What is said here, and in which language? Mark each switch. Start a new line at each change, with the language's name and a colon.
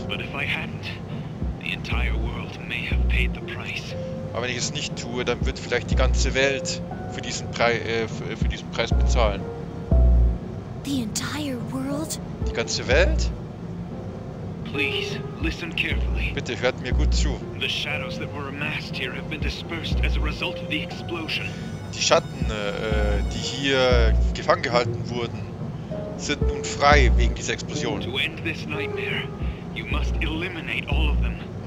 English: But if I hadn't, the entire world may have paid the price.
German: Aber wenn ich es nicht tue, dann wird vielleicht die ganze Welt für diesen Preis bezahlen.
English: The entire world?
German: Die ganze Welt?
English: Please listen carefully.
German: Bitte hört mir gut zu.
English: The shadows that were amassed here have been dispersed as a result of the explosion.
German: Die Schatten, die hier gefangen gehalten wurden, sind nun frei wegen dieser Explosion.
English: To end this nightmare, you must eliminate all of them.